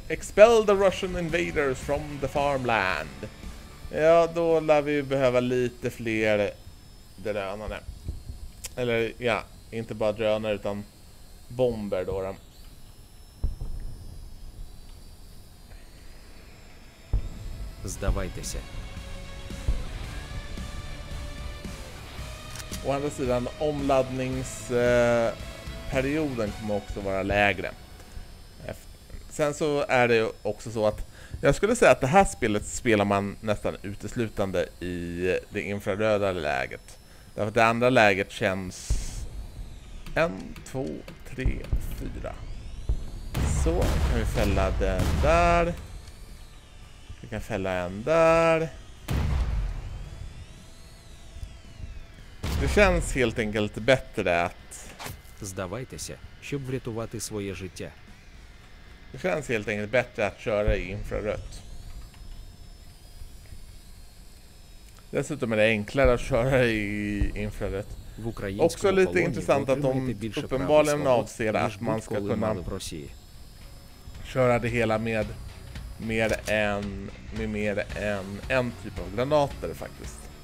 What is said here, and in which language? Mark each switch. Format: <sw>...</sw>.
<en>Expel the Russian invaders from the farmland.</en> <sv>Ja, då lär vi behöva lite fler drönare. Eller, ja, inte bara drönare utan bomber då.</sv> <uk>Здавайтеся.</uk> <sv>Å andra sidan, omladdningsperioden kommer också vara lägre. Sen så är det ju också så att jag skulle säga att det här spelet spelar man nästan uteslutande i det infraröda läget. Därför att det andra läget känns 1, 2, 3, 4. Så, kan vi fälla den där. Vi kan fälla en där. Det känns helt enkelt bättre att...</sv> <uk>Здавайтеся, щоб врятувати своє життя.</uk> <sv>Det känns helt enkelt bättre att köra i infrarött. Dessutom är det enklare att köra i infrarött. Också lite intressant att de uppenbarligen avser att man ska kunna köra det hela med mer än en typ av granater faktiskt.</sv>